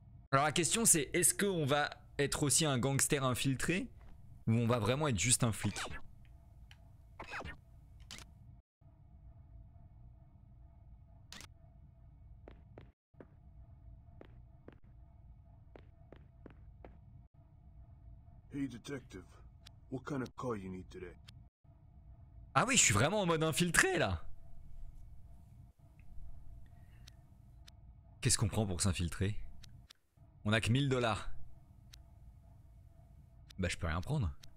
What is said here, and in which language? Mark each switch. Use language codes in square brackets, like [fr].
[fr] Alors, la question, c'est est-ce qu'on va être aussi un gangster infiltré ou on va vraiment être juste un flic ? [en] Hey detective, what kind of car you need today? [fr] Ah oui, je suis vraiment en mode infiltré là. Qu'est-ce qu'on prend pour s'infiltrer? On a que 1 000 $. Bah je peux rien prendre.